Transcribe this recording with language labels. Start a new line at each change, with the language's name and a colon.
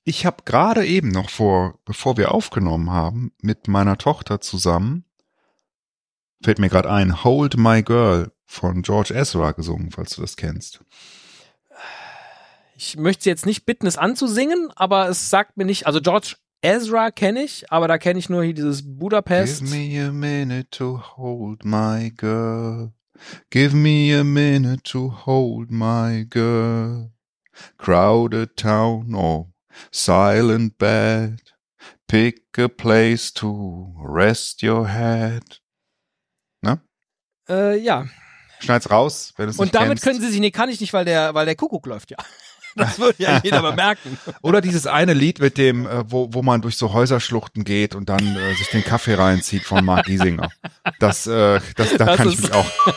German: Ich habe gerade eben noch bevor wir aufgenommen haben, mit meiner Tochter zusammen, fällt mir gerade ein, Hold My Girl von George Ezra gesungen, falls du das kennst. Ich möchte jetzt nicht bitten, es anzusingen, aber es sagt mir nicht, also George Ezra kenne ich, aber da kenne ich nur hier dieses Budapest.
English: Give me a minute to hold my girl. Give me a minute to hold my girl. Crowded town or silent bed. Pick a place to rest your head. Na?
German: Ja. Schneid's raus, wenn du es nicht und damit kennst. Können sie sich, nee, kann ich nicht, weil der Kuckuck läuft ja. Das würde ja jeder bemerken. Oder dieses eine Lied mit dem, wo man durch so Häuserschluchten geht und dann sich den Kaffee reinzieht von Mark Giesinger. Das kann ich mich auch.